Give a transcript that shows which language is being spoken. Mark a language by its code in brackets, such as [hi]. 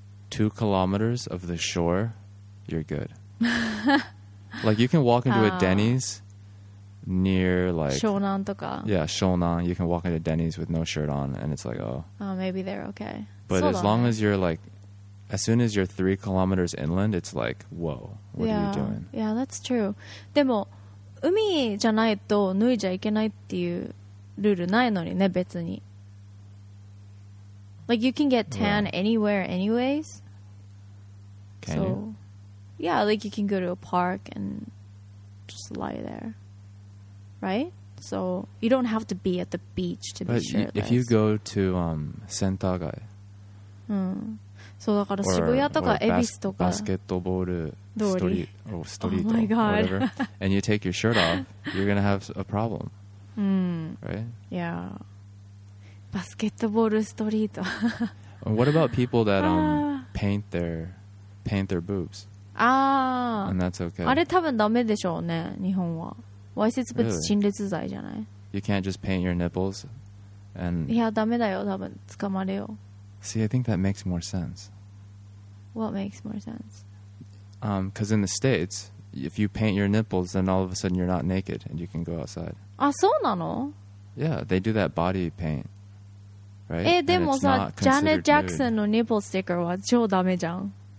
[en] 2 kilometers of the shore, you're good. Like, you can walk into a Denny's near, like... [ja] 湘南とか? [en] Yeah, 湘南. You can walk into Denny's with no shirt on, and it's like, oh. Oh, maybe they're okay. But as long as you're, like... As soon as you're 3 kilometers inland, it's like, whoa, what yeah. are you doing? Yeah, that's true. [ja] でも、海じゃないと脱いじゃいけないっていうルールないのにね、別に。 [en] Like, you can get tan yeah. anywhere anyways. Can you? Yeah, like, you can go to a park and just lie there. Right? So, you don't have to be at the beach to But be shirtless. But if you go to Sentagai. [ja] So, だから渋谷とか恵比寿とか。 [en] バスケットボール。Street, or oh my god. Whatever, and you take your shirt off, you're going to have a problem. Right? Yeah. Basketball street. What about people that paint their boobs? And that's okay. [ja] あれ多分ダメでしょうね、日本は。わいせつ物陳列罪じゃない? [en] You can't just paint your nipples? And [ja] いや、ダメだよ、多分捕まるよ。 [en] See, I think that makes more sense. What makes more sense? Because in the States, if you paint your nipples, then all of a sudden you're not naked and you can go outside. [ja] あ、そうなの? [en] Yeah, they do that body paint, right? [ja] でもさ、Janet Jackson のニッポルスティッカーは超ダメじゃん。